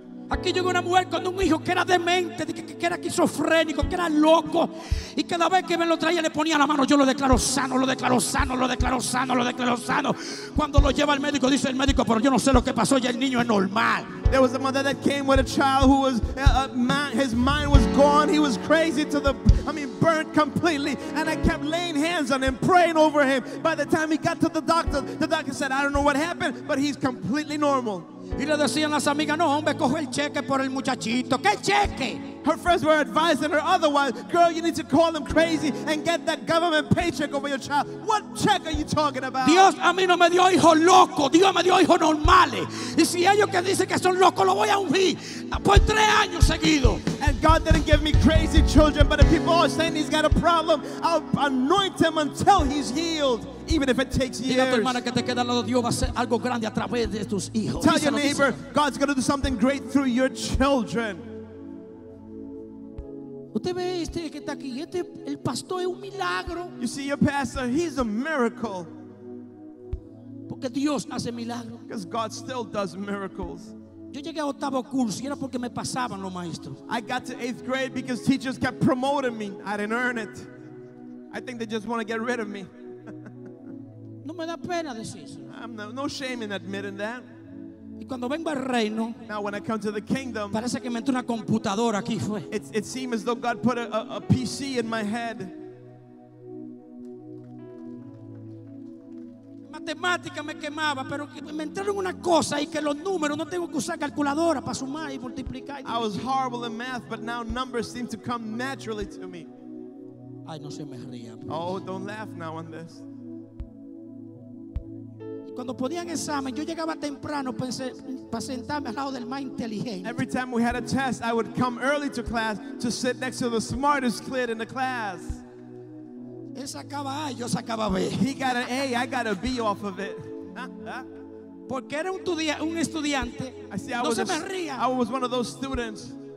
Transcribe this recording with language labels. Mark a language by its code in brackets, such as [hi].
[es] Aquí llegó una mujer con un hijo que era demente, que era esquizofrénico, que era loco. Y cada vez que me lo traía, le ponía la mano. Yo lo declaro sano, lo declaro sano, lo declaro sano, lo declaro sano. Cuando lo lleva al médico, dice el médico, pero yo no sé lo que pasó, ya el niño es normal. [en] There was a mother that came with a child who was, his mind was gone. He was crazy to the, burnt completely. And I kept laying hands on him, praying over him. By the time he got to the doctor said, I don't know what happened, but he's completely normal. [es] Y le decían las amigas, no, hombre, coge el cheque por el muchachito. ¿Qué cheque? [en] Her friends were advising her otherwise. Girl, you need to call them crazy and get that government paycheck over your child. What check are you talking about? [es] Dios a mí no me dio hijos locos. Dios me dio hijos normales. Y si ellos que dicen que son locos, lo voy a ungir por tres años seguidos. [en] And God didn't give me crazy children, but if people are saying he's got a problem, I'll anoint him until he's healed, even if it takes years. [es] Diga a tu hermana que te queda al lado, Dios va a hacer algo grande a través de tus hijos. [en] Tell your neighbor, God's going to do something great through your children. [es] Usted ve este que está aquí, este el pastor es un milagro. [en] You see your pastor, he's a miracle. [es] Porque Dios hace milagros. [en] Because God still does miracles. [es] Yo llegué a octavo curso y era porque me pasaban los maestros. [en] I got to eighth grade because teachers kept promoting me. I didn't earn it. I think they just want to get rid of me. [es] No me da pena decir eso. [en] I'm no shame in admitting that. [es] Y cuando vengo al reino, [en] now when I come to the kingdom, [es] parece que me entró una computadora aquí fue. [en] It seemed as though God put a PC in my head. [es] Matemática me quemaba, pero me entraron una cosa y que los números no tengo que usar calculadora para sumar y multiplicar. [en] I was horrible in math, but now numbers seem to come naturally to me. [es] Ay, no se me ría. [en] Oh, don't laugh now on this. [es] Cuando podían examen, yo llegaba temprano para sentarme al lado del más inteligente. [en] Every time we had a test, I would come early to class to sit next to the smartest kid in the class. [es] Él sacaba A, yo sacaba B. [en] He got an A, I got a B off of it. [es] Porque era un estudiante. No se me ría. [en] I was one of those students